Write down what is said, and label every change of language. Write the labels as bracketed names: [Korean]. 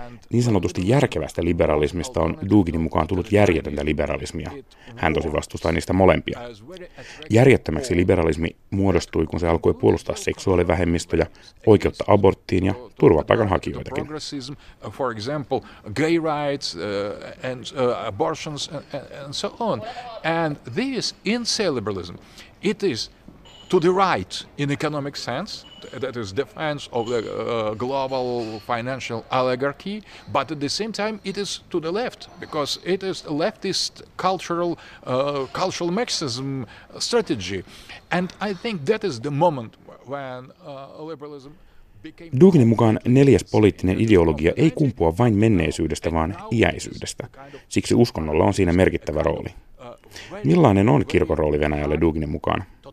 [Finnish] Niin sanotusti järkevästä liberalismista on Duginin mukaan tullut järjetöntä liberalismia. Hän tosi vastustaa niistä molempia. Järjettömäksi liberalismi muodostui, kun se alkoi puolustaa seksuaalivähemmistöjä, oikeutta aborttiin ja turvapaikanhakijoitakin. [English] For example, gay rights and abortions and so on. And this insane liberalism, it is to the right in economic sense, that is defense of the global financial oligarchy, but at the same time it is to the left, because it is leftist cultural Marxism strategy. And I think that is the moment when liberalism... [Finnish] Duginin mukaan neljäs poliittinen ideologia ei kumpua vain menneisyydestä, vaan iäisyydestä. Siksi uskonnolla on siinä merkittävä rooli. Millainen on kirkon rooli Venäjälle Duginin mukaan?